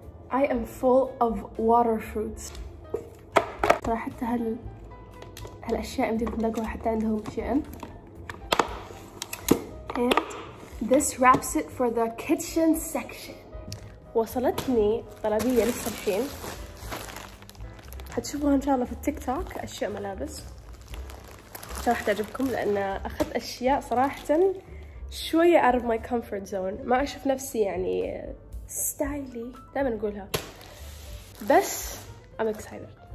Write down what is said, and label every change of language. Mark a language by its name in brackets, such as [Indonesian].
[English] I am full of water fruits. [Arabic] ترى حتى هالأشياء يمديكم تلاقوها حتى عندهم شيئين. [English] And this wraps it for the kitchen section. [Arabic] وصلتني طلبية لسه الحين، هتشوفوها إن شاء الله في التيك توك، أشياء ملابس راح تعجبكم، لأن أخذت أشياء صراحة شوية [English] out of my comfort zone. [Arabic] ما أشوف نفسي يعني ستايلي دائما نقولها، بس [English] I'm excited.